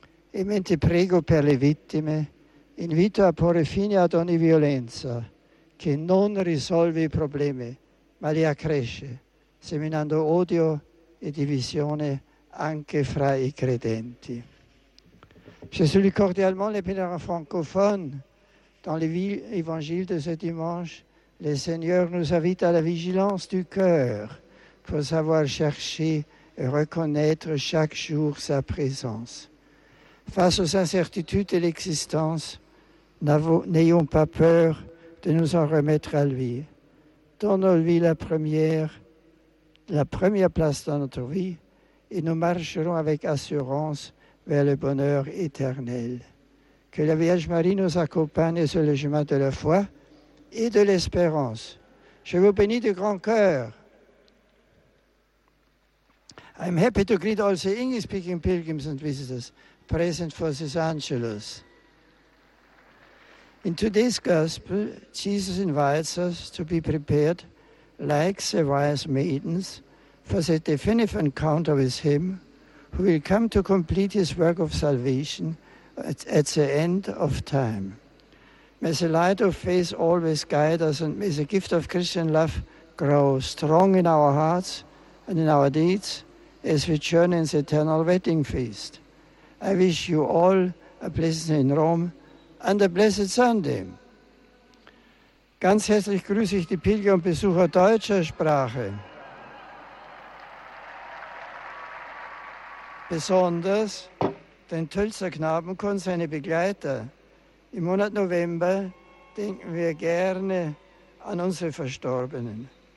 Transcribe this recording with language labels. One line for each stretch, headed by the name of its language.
Italian: E mentre prego per le vittime, invito a porre fine ad ogni violenza che non risolve i problemi, ma li accresce, seminando odio e divisione anche fra i credenti.
French: Je salue cordialement les pèlerins francophones. Dans l'évangile de ce dimanche, le Seigneur nous invite à la vigilance du cœur pour savoir chercher et reconnaître chaque jour sa présence. Face aux incertitudes de l'existence, n'ayons pas peur de nous en remettre à lui. Donnons-lui la première place dans notre vie et nous marcherons avec assurance vers le bonheur éternel. Que la Vierge Marie nous accompagne sur le chemin de la foi et de l'espérance. Je vous bénis de grand cœur.
English: I'm happy to greet all the English-speaking pilgrims and visitors present for this Angelus. In today's Gospel, Jesus invites us to be prepared, like the wise maidens, for the definitive encounter with him, who will come to complete his work of salvation at the end of time. May the light of faith always guide us, and may the gift of Christian love grow strong in our hearts and in our deeds as we journey in the eternal wedding feast. I wish you all a blessed day in Rome and a blessed Sunday.
German: Ganz herzlich grüße ich die Pilger und Besucher deutscher Sprache. Besonders den Tölzer Knabenchor und seine Begleiter. Im Monat November denken wir gerne an unsere Verstorbenen.